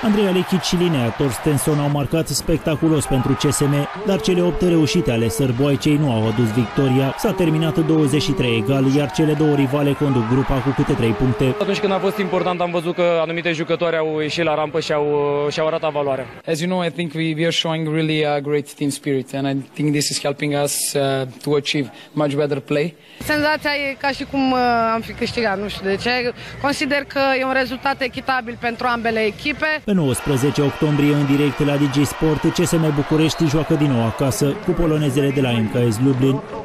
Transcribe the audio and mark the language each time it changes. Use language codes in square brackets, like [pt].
[ro] Andrei Alechic și Linea Torstenson au marcat spectaculos pentru CSM, dar cele 8 reușite ale sârboaicei nu au adus victoria. S-a terminat 23 egal, iar cele două rivale conduc grupa cu câte 3 puncte. Atunci când a fost important, am văzut că anumite jucătoare au ieșit la rampă și au arătat valoarea. [en] As you know, I think we are showing really a great team spirit and I think this is helping us to achieve much better play. [ro] Senzația e ca și cum am fi câștigat, nu știu de ce. Consider că e un rezultat echitabil pentru ambele echipe. Pe 19 octombrie, în direct la Digi Sport, CSM București joacă din nou acasă cu polonezele de la MKS Lublin.